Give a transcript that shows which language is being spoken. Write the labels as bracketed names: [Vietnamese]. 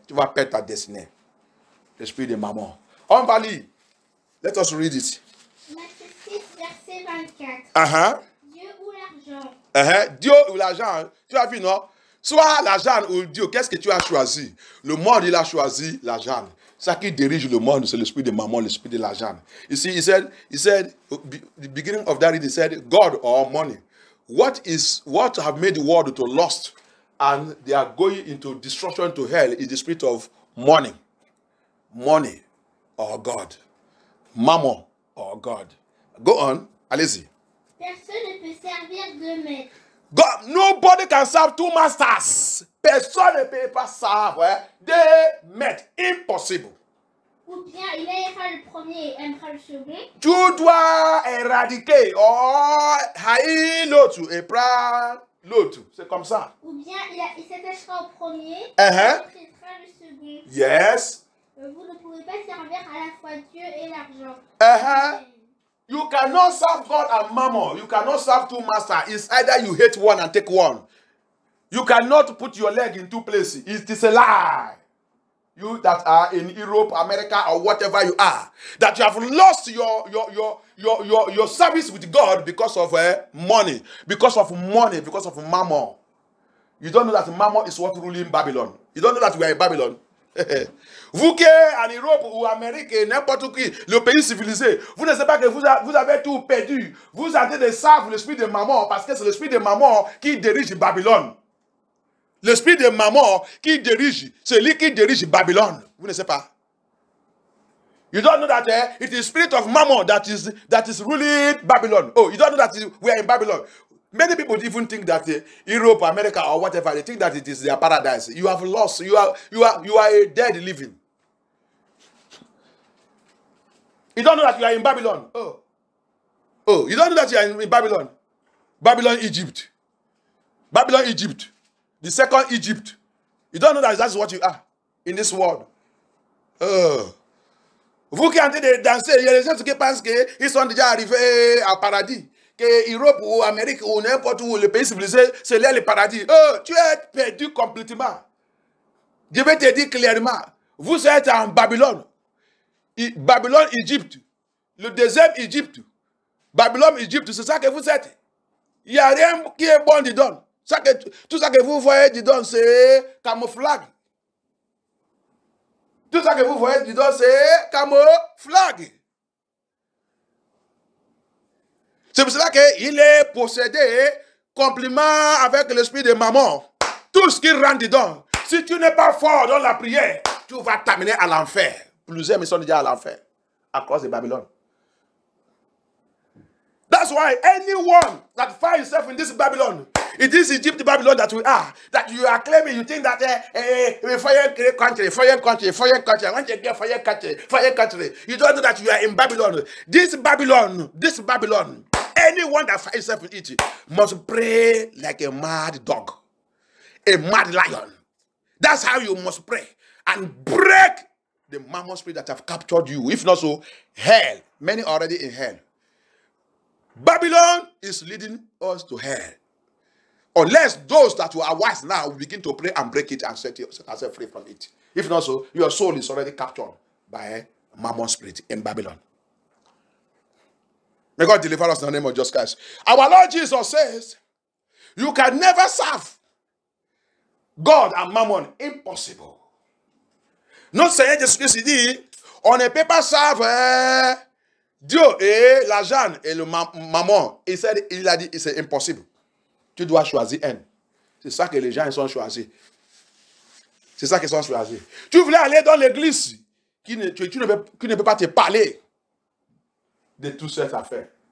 [French] Tu vas perdre ta destinée. L'esprit de maman. On va lire. [English] Let us read it. [French] Verset 24. Dieu ou l'argent. Dieu ou l'argent. Tu as vu, non? Soit l'argent ou Dieu. Qu'est-ce que tu as choisi? Le monde, il a choisi l'argent. Ça qui dirige le monde, c'est l'esprit de Mammon, l'esprit de l'argent. [English] Ici, he said, the beginning of that, he said, God or money. What have made the world to lust and they are going into destruction to hell is the spirit of money. Money or God. Mammon or God. Go on, [French] allez-y. Personne ne peut servir deux maîtres. [English] God, nobody can serve two masters. [French] Personne ne peut pas servir deux maîtres. Impossible. Ou bien il aimera le premier et aimera le second. Tu dois éradiquer haïr l'autre et prendre l'autre. C'est comme ça. Ou bien il s'attachera au premier et traitera le second. [English] Yes. [French] Vous ne pouvez pas servir à la fois Dieu et l'argent. [English] You cannot serve God and Mammon. You cannot serve two masters. It's either you hate one and take one. You cannot put your leg in two places. It is a lie. You that are in Europe, America, or whatever you are, that you have lost your service with God because of money. Because of money. Because of Mammon. You don't know that Mammon is what ruling Babylon. You don't know that we are in Babylon. [French] Vous qui êtes en Europe ou Amérique, n'importe qui, le pays civilisé, vous ne savez pas que vous avez tout perdu. Vous êtes des servants, l'esprit de Mammon, parce que c'est l'esprit de Mammon qui dirige Babylone. L'esprit de Mammon qui dirige, celui qui dirige Babylone. Vous ne savez pas. You don't know that it is the spirit of Mammon that is ruling Babylon. Oh, you don't know that we are in Babylon. Many people even think that Europe, America, or whatever, they think that it is their paradise. You have lost. You are a dead living. You don't know that you are in Babylon. Oh. Oh, you don't know that you are in Babylon. Babylon, Egypt. Babylon, Egypt. The second Egypt. You don't know that that's what you are in this world. Oh. Vous qui êtes en train de danser, il y a des gens qui pensent qu'ils sont déjà arrivés au paradis. Que Europe ou Amérique ou n'importe où, le pays civilisé, c'est là le paradis. Tu es perdu complètement. Je vais te dire clairement, vous êtes en Babylone. Babylone, Égypte. Le deuxième Égypte. Babylone, Égypte, c'est ça que vous êtes. Il n'y a rien qui est bon, dis donc. Ça que, tout ça que vous voyez, dis donc, c'est camouflage. Tout ça que vous voyez, dis donc, c'est camouflage. C'est pour cela qu'il est possédé complètement avec l'esprit de Mammon. Tout ce qu'il rend, dis donc. Si tu n'es pas fort dans la prière, tu vas t'amener à l'enfer. Plusieurs me sont déjà à l'enfer à cause de Babylone. [English] That's why anyone that finds himself in this Babylon, in this Egypt Babylon that we are, that you are claiming, you think that foreign country, you don't know that you are in Babylon. This Babylon, anyone that finds himself in it must pray like a mad dog, a mad lion. That's how you must pray and break the mammon spirit that have captured you. If not so, hell. Many already in hell. Babylon is leading us to hell. Unless those that were wise now begin to pray and break it and set yourself free from it. If not so, your soul is already captured by mammon spirit in Babylon. May God deliver us in the name of Jesus Christ. Our Lord Jesus says, you can never serve God and mammon. Impossible. [French] Notre Seigneur Jésus Christ dit, on ne peut pas servir Dieu et l'argent et le mammon. Il a dit, c'est impossible. Tu dois choisir un. C'est ça que les gens sont choisis. Tu voulais aller dans l'église, qui ne peut pas te parler de toute cette affaire.